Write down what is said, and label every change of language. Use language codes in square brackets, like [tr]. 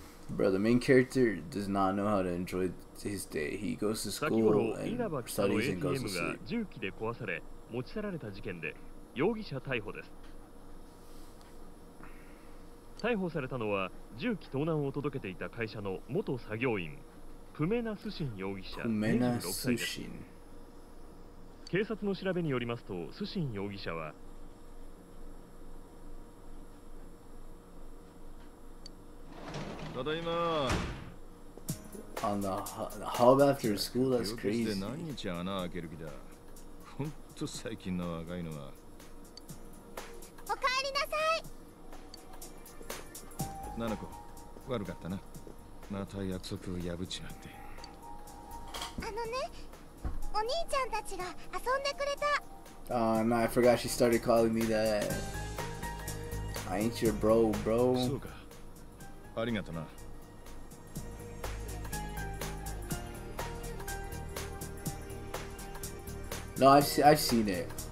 [en] bro, the main character does not know how to enjoy his day. He goes to school and studies and goes to sleep. [ja] 銃器で壊され持ち去られた事件で容疑者逮捕です。逮捕されたのは銃器盗難を届けていた会社の元作業員プメナスシン容疑者26歳です。警察の調べによりますと、スシン容疑者は [en] On the hub after school, that's crazy. [ja] 何日穴を開ける気だ。本当最近の若いのは。おかえりなさい。ナナコ、悪かったな。また約束を破っちまって。あのね、お兄ちゃんたちが遊んでくれた。 [en] Ah, no, I forgot she started calling me that. I ain't your bro, bro. [ja] そうか。ありがとな。 [en] No, I've seen it.